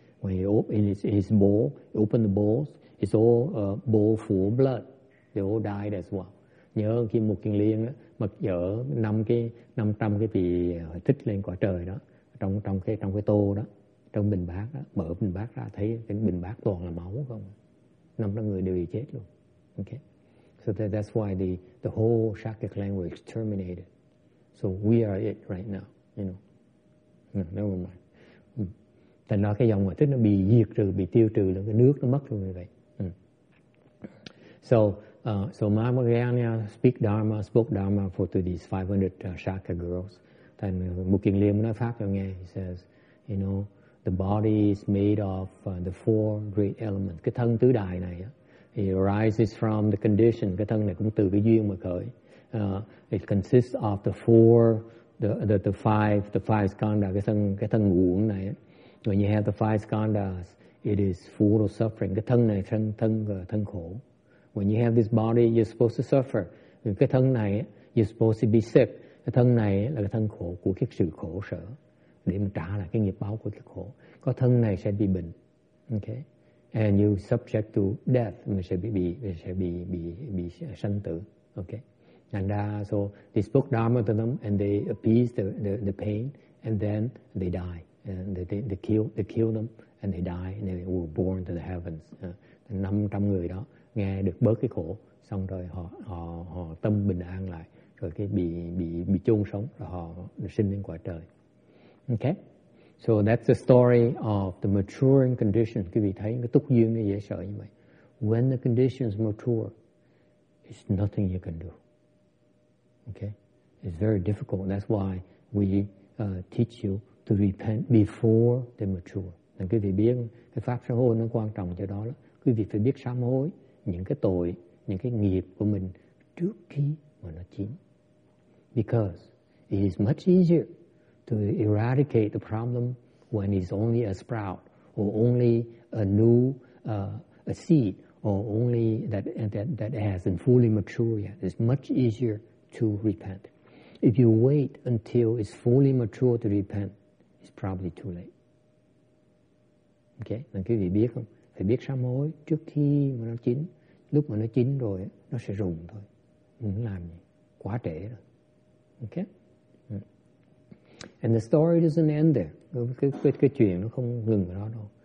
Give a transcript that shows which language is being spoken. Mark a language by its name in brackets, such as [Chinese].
[English] When he opened his bowl, opened the bowls, it's all a bowl full of blood. They all died as well. [Vietnamese] Nhớ khi Mục Kiền Liên mật dở năm trăm cái vị thích lên quả trời đó, trong cái tô đó, trong bình bát đó, mở bình bát ra thấy cái bình bát toàn là máu không, 500 người đều bị chết luôn. [English] Okay. So that's why the whole Shakya clan was exterminated. So we are it right now, you know. Never mind. [Vietnamese] Thành nói cái dòng mà thích nó bị diệt trừ, bị tiêu trừ, là cái nước nó mất luôn như vậy. [English] So Mahamogadhyana spoke Dharma for to these 500 Shakya girls. [Vietnamese] Then Mục Kiền Liên nói pháp cho nghe. [English] He says, you know, the body is made of the four great elements. [Vietnamese] Cái thân tứ đại này á, [English] it arises from the condition, [Vietnamese] cái thân này cũng từ cái duyên mà khởi. [English] It consists of the four, the five skanda, [Vietnamese] cái thân ngũ uẩn này. [English] When you have the five skandhas, it is full of suffering. [Vietnamese] Cái thân này thân khổ. [English] When you have this body, you're supposed to suffer. [Vietnamese] Cái thân này, [English] you're supposed to be sick. [Vietnamese] Cái thân này là cái thân khổ của cái sự khổ sở, để mà trả lại cái nghiệp báo của cái khổ. Có thân này sẽ bị bệnh. Okay. [English] And you subject to death, [Vietnamese] mình sẽ bị sanh tử. [English] Okay. And so they spoke Dharma to them and they appeased the pain and then they die. And they kill them and they die and they were born to the heavens. [Vietnamese] 500 người đó nghe được bớt cái khổ xong rồi họ tâm bình an lại rồi cái bị chôn sống rồi họ sinh lên quả trời. [English] Okay. So that's the story of the maturing condition. [Vietnamese] Quý vị thấy cái túc duyên nó dễ sợ như vậy. [English] When the condition is mature, it's nothing you can do. Okay? It's very difficult. That's why we teach you to repent before they mature. [Vietnamese] Nên quý vị biết cái pháp sám hối nó quan trọng cho đó lắm. Quý vị phải biết sám hối những cái tội, những cái nghiệp của mình trước khi mà nó chín. [English] Because it is much easier to eradicate the problem when it's only a sprout or only a new a seed or only that hasn't fully matured yet. It's much easier to repent. If you wait until it's fully mature to repent, it's probably too late. [Vietnamese] Okay, nên quý vị biết không? Phải biết sám hối trước khi mà nó chín. Lúc mà nó chín rồi, nó sẽ rụng thôi. Mình làm gì? Quá trễ rồi. [English] Okay. And the story doesn't end there. [Vietnamese] Cái chuyện nó không ngừng ở đó đâu.